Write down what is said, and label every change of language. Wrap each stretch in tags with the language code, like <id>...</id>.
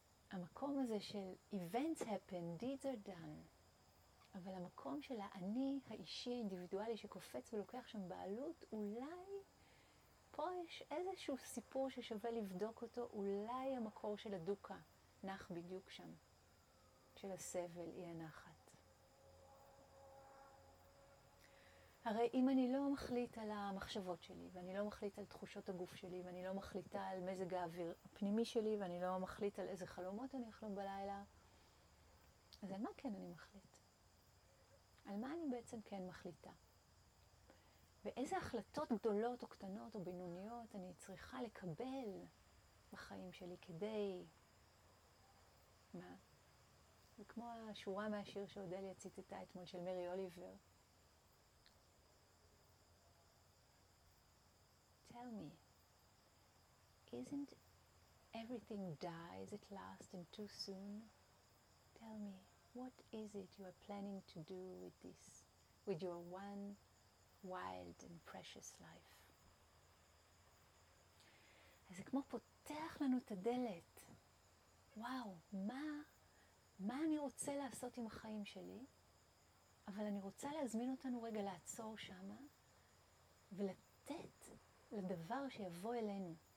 <he>המקום הזה של</he> <en>events happen, deeds are done.</en> <he>אבל המקום של האני האישי האינדיבידואלי שקופץ ולוקח שם בעלות, אולי פה יש איזשהו סיפור ששווה לבדוק אותו, אולי המקור של הדוקה נח בדיוק שם, של הסבל, אי הנחת. הרי אם אני לא מחליט על המחשבות שלי, ואני לא מחליט על תחושות הגוף שלי, ואני לא מחליטה על מזג האוויר הפנימי שלי, ואני לא מחליט על איזה חלומות אני אחלום בלילה, אז על מה כן אני מחליט? על מה אני בעצם כן מחליטה? ואיזה החלטות גדולות או קטנות או בינוניות אני צריכה לקבל בחיים שלי כדי... מה? וכמו השורה מהשיר שאודליה ציטטה אתמול של מרי אוליבר,</he> <en>tell me, isn't everything dies at last and too soon? Tell me, what is it you are planning to do with this, with your one wild and precious life?</en> <he>אז זה כמו פותח לנו את הדלת. וואו, מה אני רוצה לעשות עם החיים שלי? אבל אני רוצה להזמין אותנו רגע לעצור שמה ולתת לדבר שיבוא אלינו.</he>